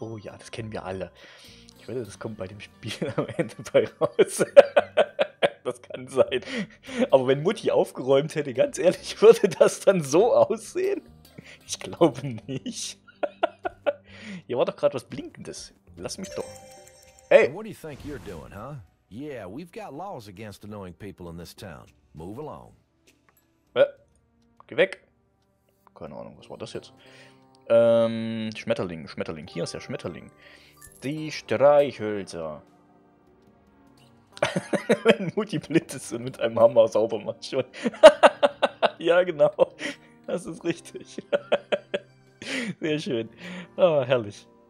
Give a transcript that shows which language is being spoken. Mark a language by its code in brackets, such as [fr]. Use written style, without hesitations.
[de] Oh ja, das kennen wir alle. Ich wette, das kommt bei dem Spiel am Ende bei raus. Das kann sein. Aber wenn Mutti aufgeräumt hätte, ganz ehrlich, würde das dann so aussehen? Ich glaube nicht. Hier war doch gerade was Blinkendes. Lass mich doch. Ey! [en] What do you think you're doing, huh? Yeah, we've got laws against annoying people in this town. Move along. [de] Geh weg. Keine Ahnung, was war das jetzt? Schmetterling. Hier ist der Schmetterling. Die Streichhölzer. Wenn Mutti blind ist und mit einem Hammer sauber macht schon. Ja, genau. Das ist richtig. Sehr schön. Oh, herrlich.